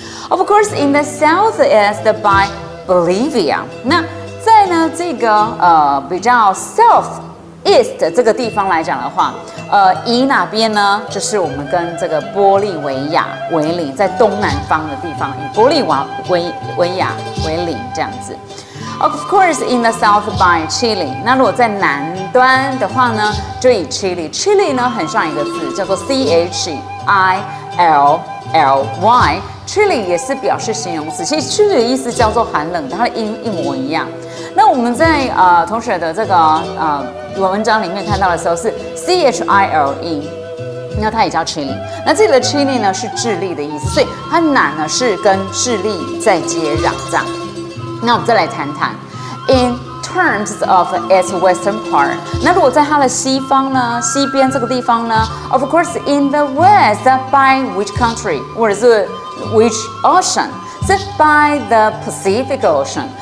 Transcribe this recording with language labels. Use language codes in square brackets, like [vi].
[en] Of course, in the south is the by Bolivia. [zh] 那在呢这个比较 [en] southeast [zh] 这个地方来讲的话，以哪边呢？就是我们跟这个玻利维亚为邻，在东南方的地方以玻利维亚为邻这样子。 [en] Of course, in the south by Chile. [zh] 那如果在南端的话呢，就以 [en] Chile. [zh] Chile 呢，很像一个字，叫做 Chilly. Chile 也是表示形容词。其实 Chile 的意思叫做寒冷的，它的音一模一样。那我们在同学的这个文章里面看到的时候是 Chile， 那它也叫 Chile. 那这里的 Chile 呢是智利的意思，所以它南呢是跟智利在接壤这样。那我们再来谈谈。 [en] In terms of its western part, [zh] 那如果在它的西方呢，西边这个地方呢 [en] ，of course in the west by which country, [zh] 或者是 [en] which ocean, 是 by the Pacific Ocean.